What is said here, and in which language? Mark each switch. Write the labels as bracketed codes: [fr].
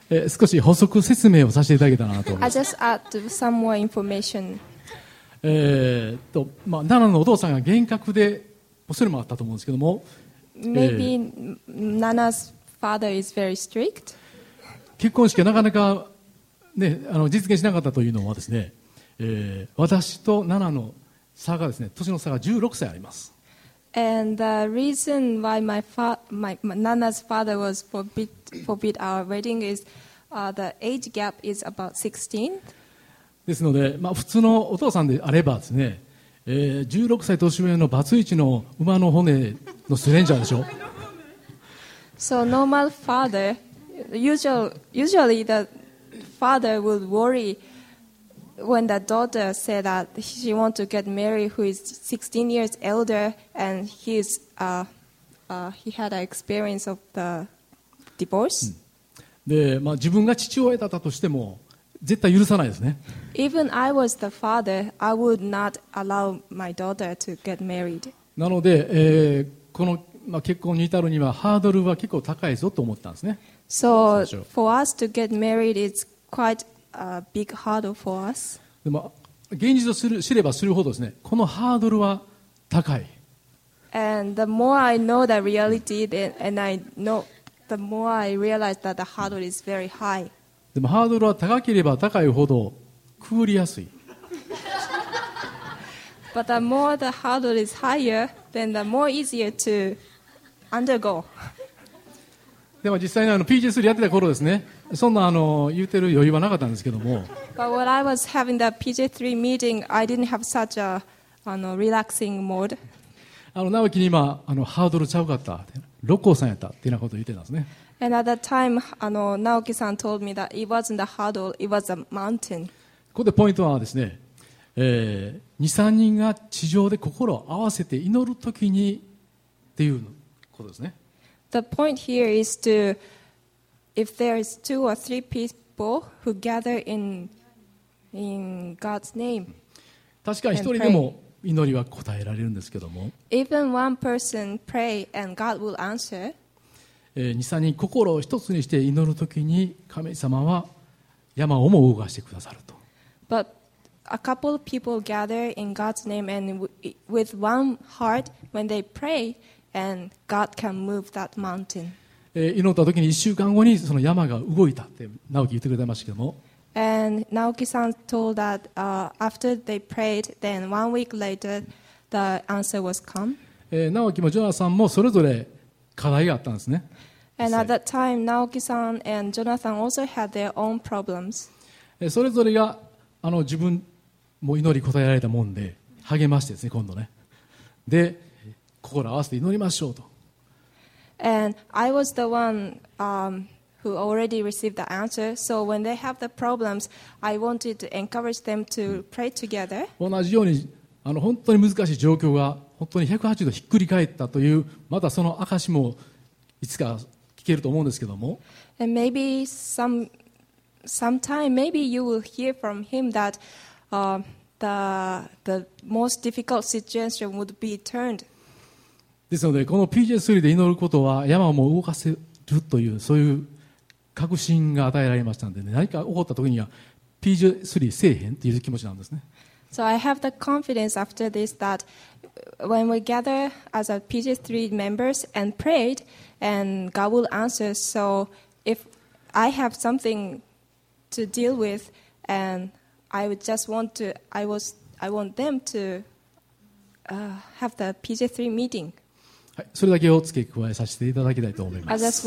[ja] 少し補足説明をさせていただけたらなと思います。 [en] I just add some more information. [ja] 奈良のお父さんが厳格で、それもあったと思うんですけども、 [en] Maybe Nana's father is very strict. [ja] 結婚式はなかなか、ね、実現しなかったというのはですね、私とナナの差がですね、年の差が16歳あります。 [en] And the reason why Nana's father was forbid our wedding is the age gap is about 16. [ja] ですので、普通のお父さんであればですね、16歳年上のバツイチの馬の骨のスレンジャーでしょ。 [en] So normal father, usually the father would worry when the daughter said that she want to get married who is 16 years elder and he had an experience of the divorce.、うん、 [ja] で、自分が父親だったとしても絶対許さないですね。 [en] Even I was the father, I would not allow my daughter to get married. [ja] なので、この、結婚に至るにはハードルは結構高いぞと思ったんですね。 [en] So for us to get married, it's quite a big hurdle for us. [ja] でも現実を知ればするほどですね、このハードルは高い。 [en] And the more I know the reality, and I know the more I realize that the hurdle is very high. [ja] でもハードルは高ければ高いほどくぐりやすい。 [en] But the more the hurdle is higher, then the more easier to undergo. [ja] でも実際にPG3やってた頃ですね、そんな言ってる余裕はなかったんですけども。 [en] But when I was having the PG3 meeting, I didn't have such a relaxing mode. [ja] 直樹に今ハードルちゃうかった、六甲さんやったっていうようなことを言ってたんですね。 [en] And at that time, Naoki-san told me that it wasn't a hurdle, it was a mountain. [ja] ここでポイントはですね、2,3 人が地上で心を合わせて祈るときにっていうことですね。 [en] The point here is to, if there is two or three people who gather in God's name, [ja] 確かに一人でも祈りは答えられるんですけども、 [en] even one person pray and God will answer. [ja] 2,3 人心を一つにして祈るときに神様は山をも動かしてくださると。 [en] But a couple of people gather in God's name and with one heart when they pray and God can move that mountain. [ja] 祈ったときに1週間後にその山が動いたって直樹言ってくれてましたけども。 [en] And Naoki-san told that after they prayed, then one week later the answer was come. [ja] 直樹もジョナさんもそれぞれ課題があったんですね。 [en] And at that time, Naoki-san and Jonathan also had their own problems. [ja] それぞれが自分も祈り答えられたもんで励ましてですね、今度ね。で、心を合わせて祈りましょうと。 [en] And I was the one who already received the answer. So when they have the problems, I wanted to encourage them to pray together. [ja] 同じように本当に難しい状況が本当に180度ひっくり返ったというまたその証もいつか聞けると思うんですけども。 [en] And maybe sometime maybe you will hear from him that the most difficult situation would be turned. [ja] ですのでこの PJ3 で祈ることは山も動かせるというそういう確信が与えられましたので、ね、何か起こった時には PJ3 せえへんという気持ちなんですね。 [en] So I have the confidence after this that when we gather as a PG3 members and prayed, and God will answer. So if I have something to deal with, and I would just want to, I want them to have the PG3 meeting. [ja] はい、それだけを付け加えさせていただきたいと思います。